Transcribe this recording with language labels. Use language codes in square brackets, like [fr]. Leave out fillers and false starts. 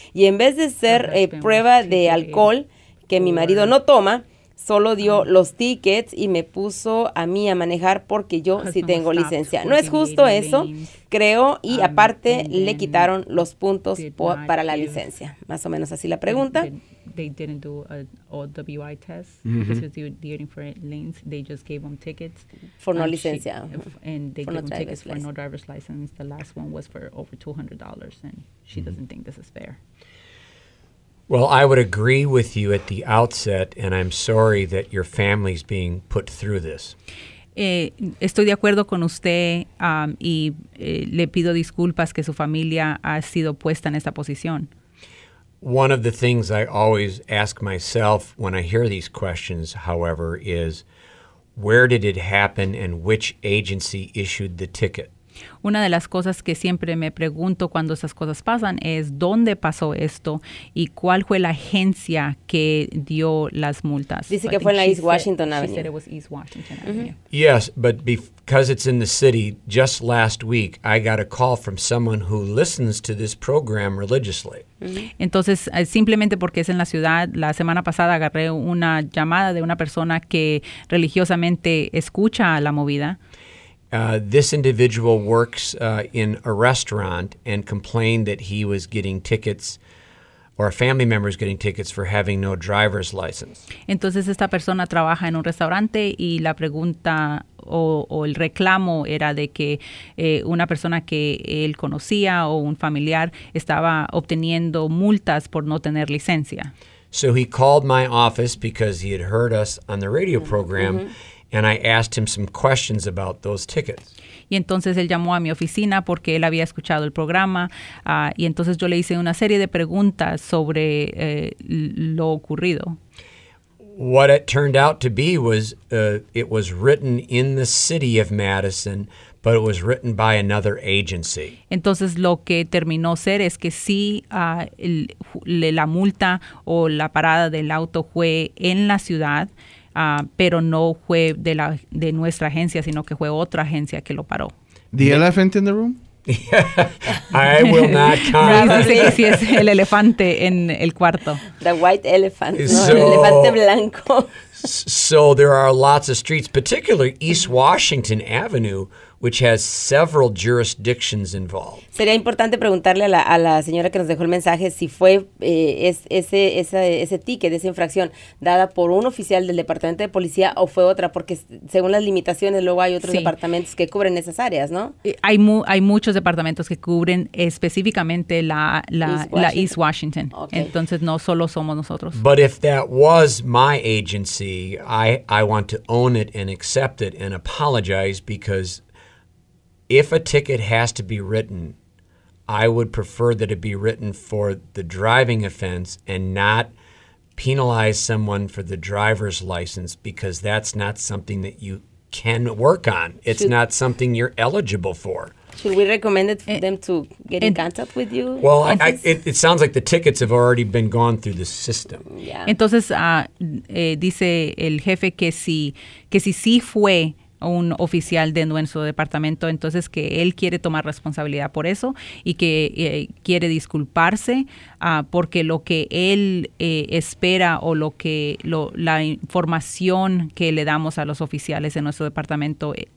[es] Y en vez de ser prueba de alcohol, que mi marido no toma, solo dio los tickets y me puso a mí a manejar porque yo sí tengo licencia. No es justo eso, creo, y aparte le quitaron los puntos para la licencia. Más o menos así la pregunta. [en] they didn't do an OWI test mm-hmm. because they were dealing for lanes. They just gave them tickets. For no licencia. And they gave them tickets for no driver's license. The last one was for over $200, and she mm-hmm. doesn't think this is fair. Well, I would agree with you at the outset, and I'm sorry that your family's being put through this. [es] Estoy de acuerdo con usted y le pido disculpas que su familia ha sido puesta en esta posición. [en] One of the things I always ask myself when I hear these questions, however, is where did it happen and which agency issued the ticket? [es] Una de las cosas que siempre me pregunto cuando esas cosas pasan es dónde pasó esto y cuál fue la agencia que dio las multas. Dice que fue en la East Washington Avenue. [en] She said it was East Washington mm-hmm. Avenue. Yes, but because it's in the city, just last week I got a call from someone who listens to this program religiously. Mm-hmm. [es] Entonces, simplemente porque es en la ciudad, la semana pasada agarré una llamada de una persona que religiosamente escucha la movida. [en] This individual works in a restaurant and complained that he was getting tickets or a family member is getting tickets for having no driver's license. [es] Entonces esta persona trabaja en un restaurante y la pregunta o el reclamo era de que una persona que él conocía o un familiar estaba obteniendo multas por no tener licencia. [en] So he called my office because he had heard us on the radio program. Mm-hmm. And I asked him some questions about those tickets. [es] Y entonces él llamó a mi oficina porque él había escuchado el programa. Y entonces yo le hice una serie de preguntas sobre lo ocurrido. [en] What it turned out to be was it was written in the city of Madison, but it was written by another agency. [es] Entonces lo que terminó ser es que sí, la multa o la parada del auto fue en la ciudad. Pero no fue de nuestra agencia, sino que fue otra agencia que lo paró. [en] The elephant in the room? I will not comment. [es] Dice que sí es el elefante en el cuarto. [en] The white elephant, [es] el elefante blanco. [en] So there are lots of streets, particularly East Washington Avenue, which has several jurisdictions involved. [es] Sería importante preguntarle a la señora que nos dejó el mensaje si fue ese ticket, esa infracción dada por un oficial del departamento de policía o fue otra, porque según las limitaciones luego hay otros departamentos que cubren esas áreas, ¿no? Hay muchos departamentos que cubren específicamente la East Washington. Okay. Entonces no solo somos nosotros. [en] But if that was my agency, I want to own it and accept it and apologize because if a ticket has to be written, I would prefer that it be written for the driving offense and not penalize someone for the driver's license because that's not something that you can work on. It's not something you're eligible for. Should we recommend it for them to get in contact with you? Well, it sounds like the tickets have already been gone through the system. Yeah. [es] Entonces, dice el jefe que si sí fue un oficial de nuestro departamento, entonces que él quiere tomar responsabilidad por eso y que quiere disculparse porque lo que él espera o lo que la información que le damos a los oficiales de nuestro departamento